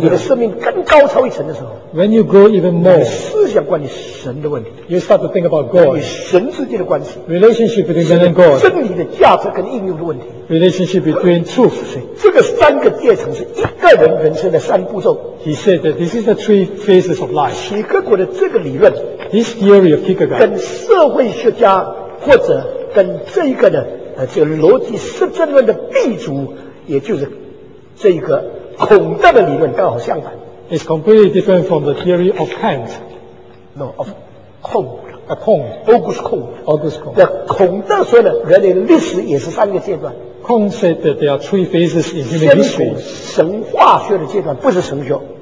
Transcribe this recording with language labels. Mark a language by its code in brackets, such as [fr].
[zh] 你的生命更高超一层的时候 [en] When you grow even more, [zh] 想关于神的问题 [en] You start to think about God [zh] 与神之间的关系 [en] Relationship between man and God [zh] 真理的价值跟应用的问题 [en] Relationship between truth [zh] 这个三个阶层是一个人人生的三步骤 [en] He said that this is the three phases of life [zh] 齐克果的这个理论 [en] This theory of Kierkegaard [zh] 跟社会学家或者跟这一个的这个逻辑实证论的鼻祖也就是这一个孔德的理论刚好相反 [en] It's completely different from the theory of Kant No, of Kong. A Kong. August Kong. August Kong. [zh] 孔德说的人类历史也是三个阶段。 [en] Kong said that there are three phases in human history. [zh] 先从神话学的阶段，不是神学。